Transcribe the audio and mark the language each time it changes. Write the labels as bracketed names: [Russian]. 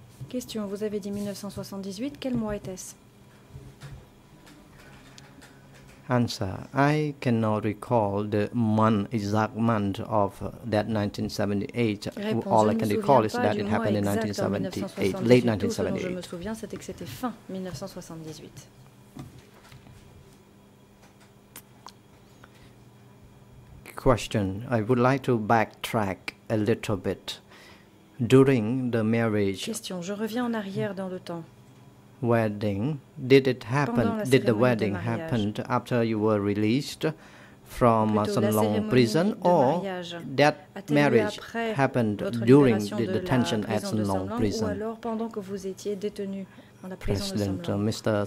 [French] Question, vous avez dit 1978, quel mois était-ce? [English] Answer, I cannot recall the exact month of that 1978. [French] Réponse, [English] all I can recall is that it happened in 1978, late 1978. Question. I would like to backtrack a little bit. During the marriage, [French] question, je reviens en arrière dans le temps. [English] Wedding, did it happen? Did the wedding happen after you were released from some long prison, or that marriage happened during the detention at some long prison? [French] Ou alors pendant que vous étiez détenu? [English] President, Mr.